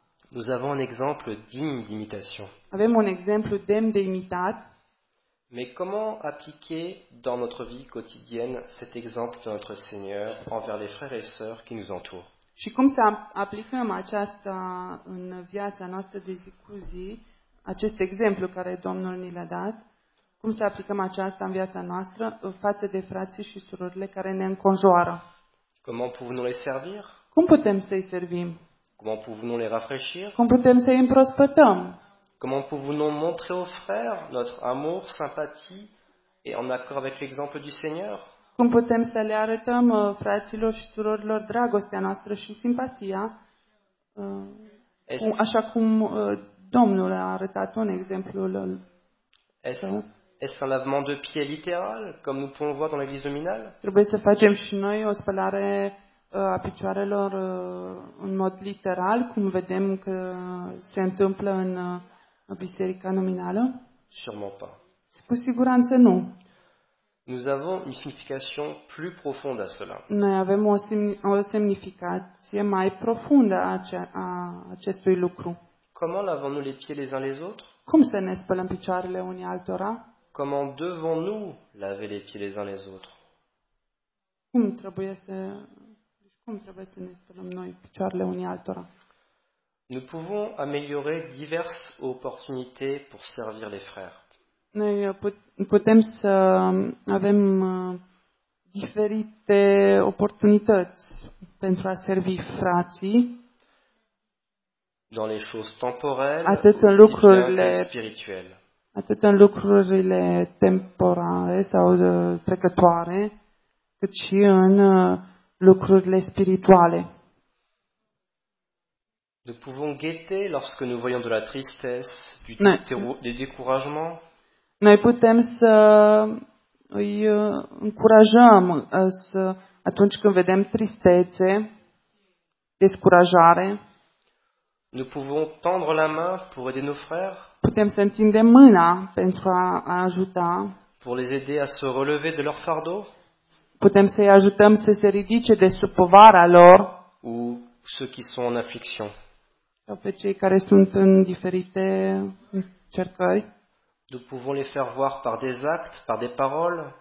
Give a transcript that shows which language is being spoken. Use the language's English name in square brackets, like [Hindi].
[French] Nous avons un exemple digne d'imitation. [Romanian] Avem un exemplu demn de imitat. [French] Mais comment appliquer dans notre vie quotidienne cet exemple de notre Seigneur envers les frères et sœurs qui nous entourent? [Romanian] Și cum să aplicăm aceasta în viața noastră de zi cu zi, acest exemplu care Domnul ni l-a dat, cum să aplicăm aceasta în viața noastră față de frații și surorile care ne înconjoară? [French] Comment pouvons-nous les servir? [Romanian] Cum putem să-i servim? [French] Comment pouvons-nous les rafraîchir? [Romanian] Cum putem să-i împrospătăm? [French] Comment pouvons-nous montrer aux frères notre amour, sympathie et en accord avec l'exemple du Seigneur? [Romanian] Cum putem să le arătăm fraților și surorilor dragostea noastră și simpatia, așa cum Domnul a arătat un exemplu lui? [French] Est-ce un lavement de pied littéral, comme nous pouvons voir dans l'église dominale? [Romanian] Trebuie să facem și noi o spălare a picioarelor în mod literal, cum vedem că se întâmplă în biserica nominală? [French] Sûrement pas. [Romanian] Cu siguranță nu. [French] Nous avons une signification plus profonde à cela. [Romanian] Noi avem o semnificație mai profundă a acestui lucru. [French] Comment lavons-nous les pieds les uns les autres? [Romanian] Cum să ne spălăm picioarele unii altora? [French] Comment devons-nous laver les pieds les uns les autres? [Romanian] Cum trebuie să ne spălăm noi picioarele unii altora? [French] Nous pouvons améliorer diverses opportunités pour servir les frères. [Romanian] Noi putem să avem diferite oportunități pentru a servi frații. [French] Dans les choses temporelles, [Romanian] atât în lucrurile spirituale. Atât în lucrurile temporale sau trecătoare, cât și în lucrurile spirituale. [French] Nous pouvons guetter lorsque nous voyons de la tristesse, du découragement. [Romanian] Noi putem să îi încurajăm, să Atunci când vedem tristețe, descurajare, [French] nous pouvons tendre la main pour aider nos frères, [Romanian] putem să întindem mâna pentru a ajuta, [French] pour les aider à se relever de leur fardeau, [Romanian] putem să-i ajutăm să se ridice de sub povara lor, [French] ou ceux qui sont en affliction, [Romanian] sau pe cei care sunt în diferite cercări. [French] Nous pouvons les faire voir par des actes, par des paroles.